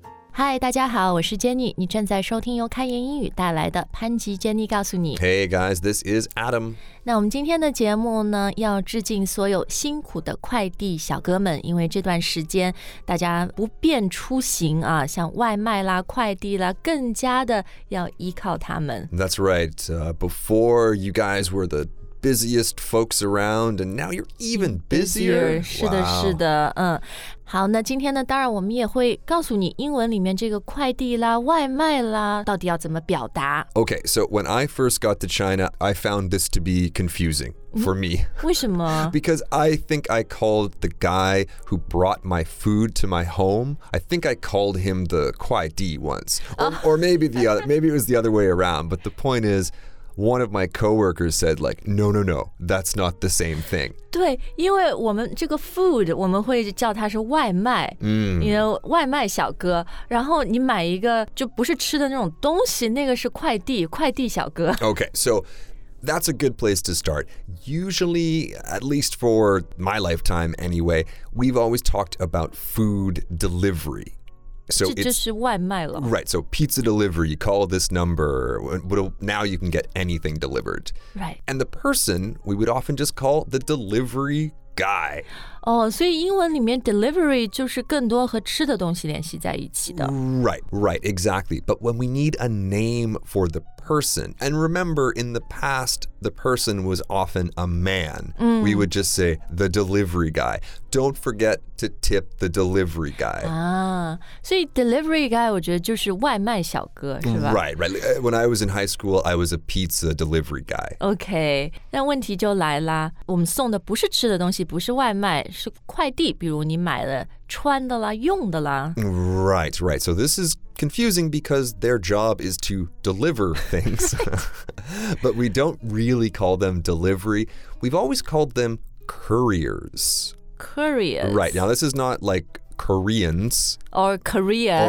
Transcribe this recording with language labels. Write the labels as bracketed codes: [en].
[zh] 嗨，大家好，我是 Jenny， 你正在收听由开言英语带来的潘吉 Jenny 告诉你。 [en] Hey guys, this is Adam. [zh] 那我们今天的节目呢，要致敬所有辛苦的快递小哥们，因为这段时间大家不便出行啊，像外卖啦、快递啦，更加的要依靠他们。 [en] That's right. Before you guys were the busiest folks around, and now you're even busier. [zh] 是的，是的，嗯。好，那今天呢，当然我们也会告诉你英文里面这个快递啦、外卖啦，到底要怎么表达。 [en] Okay, so when I first got to China, I found this to be confusing for me. [zh] 为什么？ [en] Because I think I called the guy who brought my food to my home, I think I called him the 快递 once. Or maybe the other, maybe it was the other way around, but the point is,One of my coworkers said, like, no, no, no, that's not the same thing. [zh] 对，因为我们这个 food, 我们会叫它是外卖、 [en] you know, [zh] 外卖小哥。然后你买一个就不是吃的那种东西，那个是快递，快递小哥。 [en] Okay, so... That's a good place to start. Usually, at least for my lifetime anyway, we've always talked about food delivery. [zh] So 这是外卖了。 [en] Right, so pizza delivery, you call this number, now you can get anything delivered. Right. And the person, we would often just call the delivery guy. [zh] Oh, 所以英文里面 delivery 就是更多和吃的东西联系在一起的。 [en] Right, right, exactly. But when we need a name for the person, and remember, in the past, the person was often a man. We would just say the delivery guy. Don't forget to tip the delivery guy. [zh] 啊，所以 delivery guy 我觉得就是外卖小哥，是吧？ [en] Right, right. When I was in high school, I was a pizza delivery guy. [zh] Okay, 那问题就来啦。我们送的不是吃的东西，不是外卖。是快递，比如你买了穿的啦，用的啦。 [en] Right, right. So this is confusing because their job is to deliver things. But we don't really call them delivery. We've always called them couriers. Couriers. Right. Now this is not like Koreans. Or Korea.